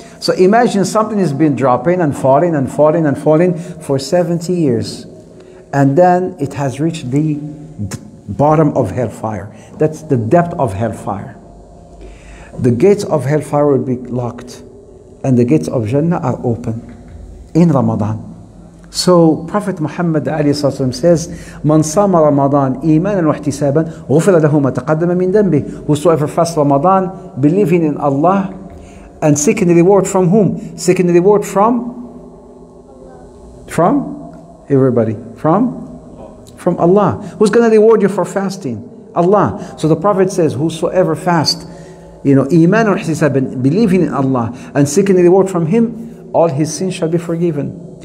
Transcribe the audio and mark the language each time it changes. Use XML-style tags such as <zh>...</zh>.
<en>So imagine something has been dropping and falling and falling and falling for 70 years. And then it has reached the bottom of hellfire. That's the depth of hellfire. The gates of hellfire will be locked and the gates of Jannah are open in Ramadan. So Prophet Muhammad</en> <ar>عليه الصلاة والسلام says, من صام رمضان إيمانا واحتسابا غفر له ما تقدم من ذنبه.</ar> <en>Whosoever fasts Ramadan believing in Allah and seeking the reward from whom? Seeking the reward from? From? Everybody. From? From Allah. Who's going to reward you for fasting? Allah. So the Prophet says, whosoever fasts, you know,</en> <ar>إيمانا واحتسابا</ar> <en>believing in Allah and seeking the reward from him, all his sins shall be forgiven.</en>